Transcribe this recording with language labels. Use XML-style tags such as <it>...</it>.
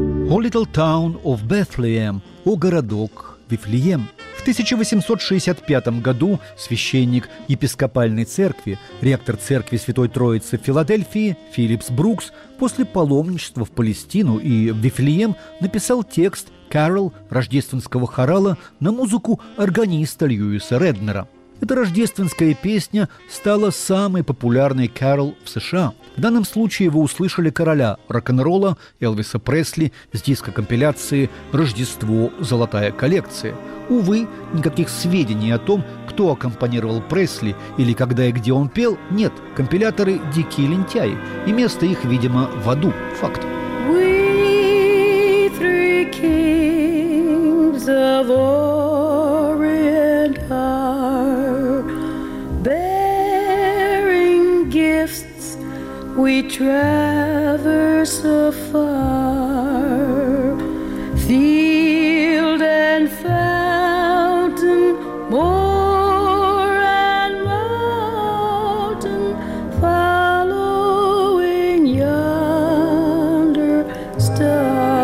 <ru>«O Little Town of Bethlehem» – «О городок Вифлеем». В 1865 году священник епископальной церкви, ректор церкви Святой Троицы в Филадельфии Филлипс Брукс после паломничества в Палестину и в Вифлеем написал текст «Carol» рождественского хорала на музыку органиста Льюиса Реднера. Эта рождественская песня стала самой популярной «Carol» в США. В данном случае вы услышали короля рок-н-ролла Элвиса Пресли с диска компиляции «Рождество. Золотая коллекция». Увы, никаких сведений о том, кто аккомпанировал Пресли или когда и где он пел, нет. Компиляторы – дикие лентяи, и место их, видимо, в аду. Факт.</ru> <en>We three kings of Orient are bearing gifts. We traverse afar, field and fountain, moor and mountain, following yonder star.</en>